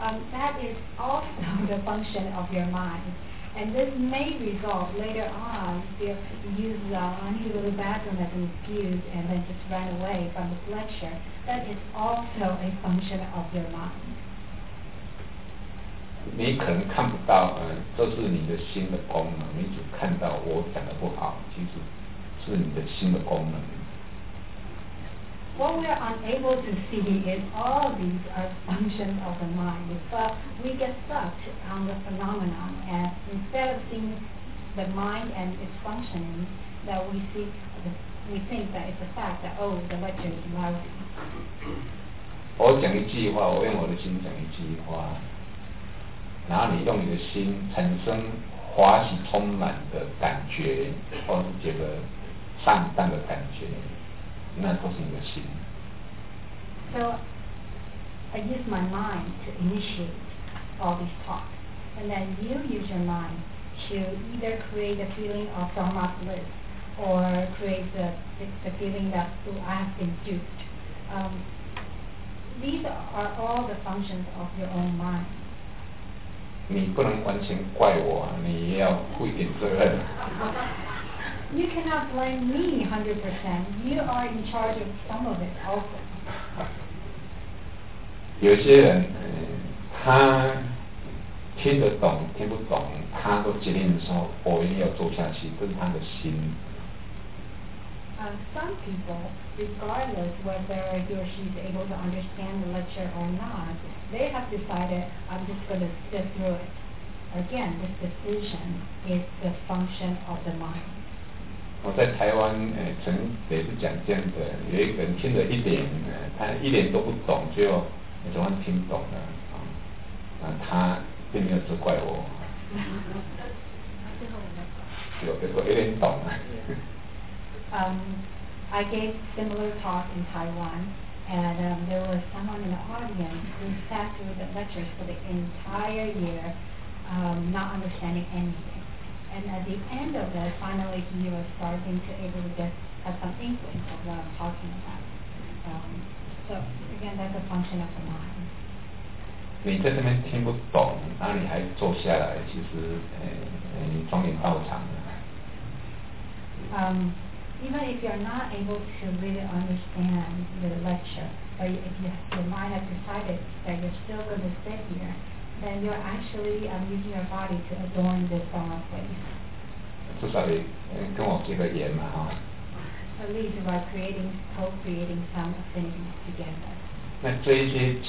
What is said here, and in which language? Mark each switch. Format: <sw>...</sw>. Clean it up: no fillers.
<en>That is also the function of your mind. And this may result later on if you use the bathroom as an excuse and then just run away from this lecture. That is also a function of your mind.</en> <zh>你可能看不到，这是你的心的功能，你只看到我讲的不好，其实是你的心的功能。</zh> <en>What we are unable to see is all these are functions of the mind, but we get stuck on the phenomenon, and instead of seeing the mind and its functioning, that we see, we think that it's a fact that, oh, the lecture is lousy.</en> <zh>我讲一句话，我用我的心讲一句话，然后你用你的心产生欢喜充满的感觉，或是觉得上当的感觉，那都是你的心。</zh> <en>So I use my mind to initiate all these thoughts, and then you use your mind to either create the feeling of dharma bliss or create the feeling that I have been duped. These are all the functions of your own mind.</en> <zh>你不能完全怪我，你也要负一点责任。</zh> <en>You cannot blame me 100%. You are in charge of some of it also.</en> <zh>有些人，他听得懂听不懂，他都决定说，我一定要做下去，这是他的心。</zh> <en>Some people, regardless whether he or she is able to understand the lecture or not, they have decided, I'm just going to sit through it. Again, this decision is the function of the mind.</en> <zh>我在台湾，曾也是讲这样的，有一个人听了一点，他一点都不懂，就总算听懂了，他并没有责怪我。有一点懂了。</zh> <en>I gave similar talk in Taiwan, and there was someone in the audience who sat through the lectures for the entire year, not understanding anything. And at the end of it, finally he was starting to able to get have some inkling of what I'm talking about. So again, that's a function of the mind.</en> <zh>你在这边听不懂，那你还坐下来，其实，你装点道场了。</zh> <en>Even if you're not able to really understand the lecture, but if your mind has decided that you're still going to sit here, then you're actually using your body to adorn this dharma place. At least by creating, co-creating some affinities together.</en>